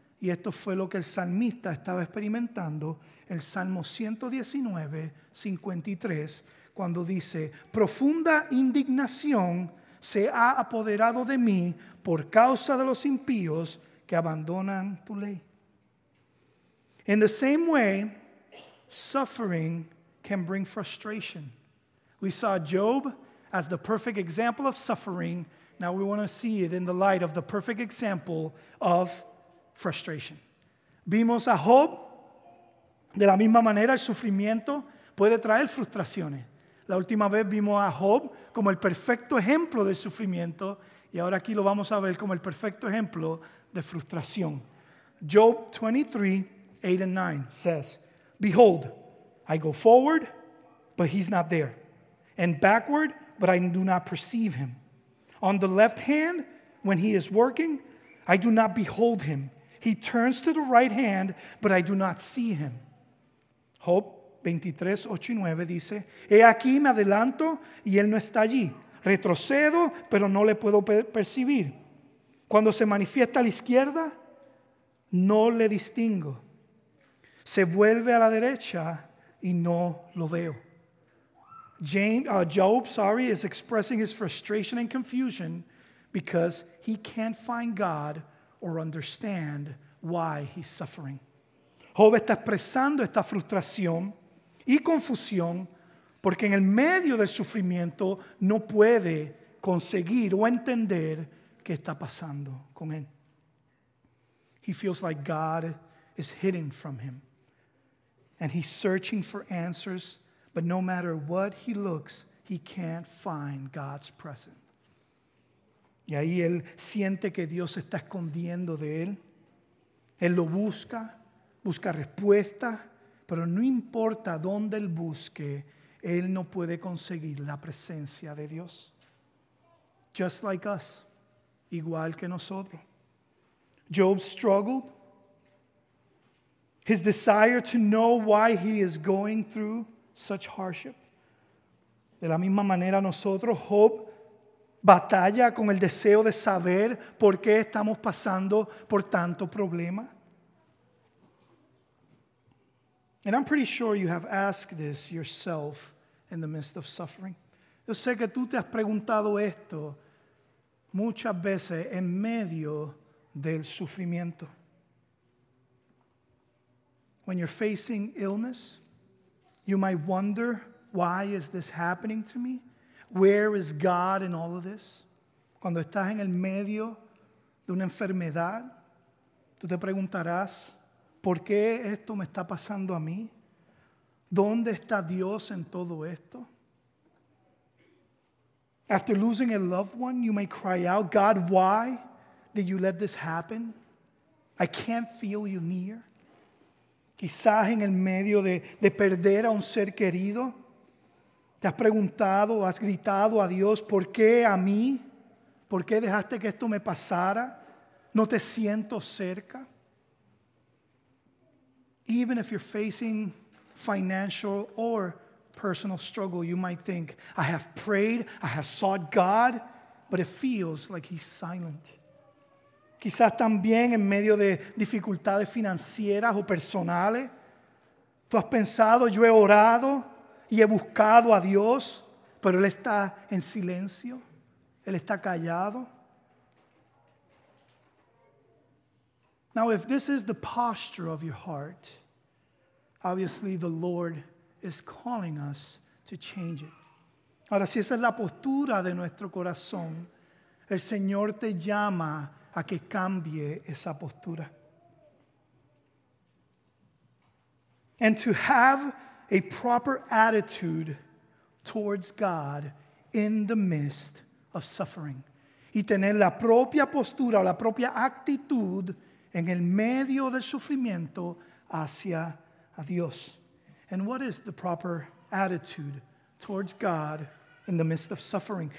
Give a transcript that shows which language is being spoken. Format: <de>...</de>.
<es>Y esto fue lo que el salmista estaba experimentando, el Salmo 119:53, cuando dice, profunda indignación se ha apoderado de mí por causa de los impíos que abandonan tu ley.</es> <en>In the same way, suffering can bring frustration. We saw Job as the perfect example of suffering. Now we want to see it in the light of the perfect example of frustration.</en> <es>Vimos a Job. De la misma manera, el sufrimiento puede traer frustraciones. La última vez vimos a Job como el perfecto ejemplo del sufrimiento, y ahora aquí lo vamos a ver como el perfecto ejemplo de frustración.</es> <en>Job 23:8-9 says, behold, I go forward, but he's not there. And backward, but I do not perceive him. On the left hand, when he is working, I do not behold him. He turns to the right hand, but I do not see him.</en> <es>Job 23:8-9 dice, he aquí me adelanto y él no está allí. Retrocedo, pero no le puedo percibir. Cuando se manifiesta a la izquierda, no le distingo. Se vuelve a la derecha y no lo veo.</es> <en>Job is expressing his frustration and confusion because he can't find God or understand why he's suffering.</en> <es>Job está expresando esta frustración y confusión porque en el medio del sufrimiento no puede conseguir o entender qué está pasando con él.</es> <en>He feels like God is hidden from him. And he's searching for answers, but no matter what he looks, he can't find God's presence.</en> <es>Y ahí él siente que Dios está escondiendo de él. Él lo busca, busca respuesta, pero no importa dónde él busque, él no puede conseguir la presencia de Dios.</es> <en>Just like us,</en> <es>igual que nosotros.</es> <en>Job struggled. His desire to know why he is going through such hardship.</en> <es>De la misma manera, nosotros, Job, batalla con el deseo de saber por qué estamos pasando por tanto problema.</es> <en>And I'm pretty sure you have asked this yourself in the midst of suffering.</en> <es>Yo sé que tú te has preguntado esto muchas veces en medio del sufrimiento.</es> <en>When you're facing illness, you might wonder, why is this happening to me? Where is God in all of this?</en> <es>Cuando estás en el medio de una enfermedad, tú te preguntarás, ¿por qué esto me está pasando a mí? ¿Dónde está Dios en todo esto?</es> <en>After losing a loved one, you may cry out, God, why did you let this happen? I can't feel you near.</en> <es>Quizás en el medio de perder a un ser querido, te has preguntado, has gritado a Dios, ¿por qué a mí? ¿Por qué dejaste que esto me pasara? No te siento cerca.</es> <en>Even if you're facing financial or personal struggle, you might think, I have prayed, I have sought God, but it feels like he's silent.</en> <es>Quizás también en medio de dificultades financieras o personales, tú has pensado, yo he orado y he buscado a Dios, pero Él está en silencio, Él está callado.</es> <en>Now, if this is the posture of your heart, obviously the Lord is calling us to change it.</en> <es>Ahora, si esa es la postura de nuestro corazón, el Señor te llama a que cambie esa postura.</es> <en>And to have a proper attitude towards God in the midst of suffering.</en> <es>Y tener la propia postura, la propia actitud en el medio del sufrimiento hacia Dios.</es> <en>And what is the proper attitude towards God in the midst of suffering?</en>